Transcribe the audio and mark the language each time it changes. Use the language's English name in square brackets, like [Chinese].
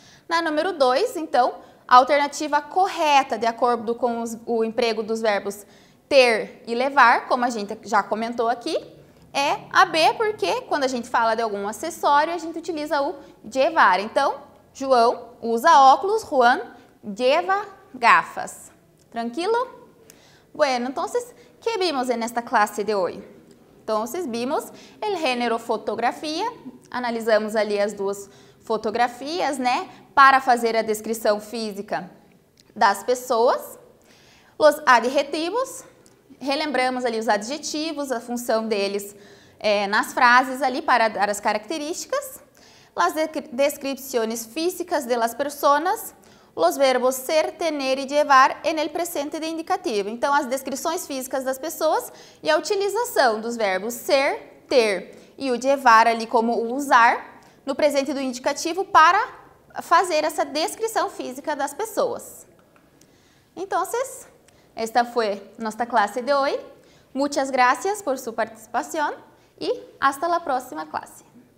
[Portuguese] Na número 2, então, a alternativa correta de acordo com o emprego dos verbos ter e levar, como a gente já comentou aqui, é a B, porque quando a gente fala de algum acessório, a gente utiliza o llevar. Então, João usa óculos, [Spanish] Juan lleva gafas. [Portuguese] Tranquilo? [Spanish] Bueno, entonces, ¿qué vimos en esta clase de hoy? Entonces, vimos el género fotografía, [Portuguese] analisamos ali as duas fotografias, né, para fazer a descrição física das pessoas. [Spanish] Los adjetivos, [Portuguese] relembramos ali os adjetivos, a função deles nas frases ali para dar as características. [Spanish] Las descripciones físicas de las personas, los verbos ser, tener y llevar en el presente de indicativo. [Portuguese] Então, as descrições físicas das pessoas e a utilização dos verbos ser, ter e o llevar ali como usar no presente do indicativo para fazer essa descrição física das pessoas. Então, esta foi nossa classe de hoje. [Spanish] Muchas gracias [Portuguese] por sua participação e [Spanish] hasta la próxima [Portuguese] classe.